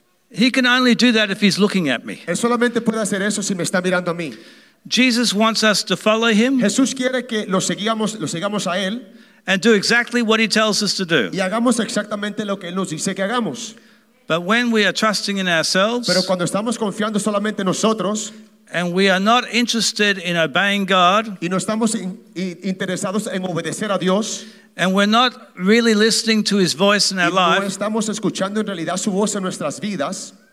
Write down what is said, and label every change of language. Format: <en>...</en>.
<en>he can only do that if he's looking at me.</en> <es>Él solamente puede hacer eso si me está mirando a mí.</es> <en>Jesus wants us to follow him.</en> <es>Jesús quiere que lo sigamos a él.</es> <en>And do exactly what he tells us to do.</en> <es>Y hagamos exactamente lo que él nos dice que hagamos.</es> <en>But when we are trusting in ourselves,</en> <es>pero cuando estamos confiando solamente en nosotros,</es> <en>and we are not interested in obeying God,</en> <es>y no estamos interesados en obedecer a Dios,</es> <en>and we're not really listening to his voice in our life,</en> <es>no estamos escuchando en realidad su voz en nuestras vidas,</es>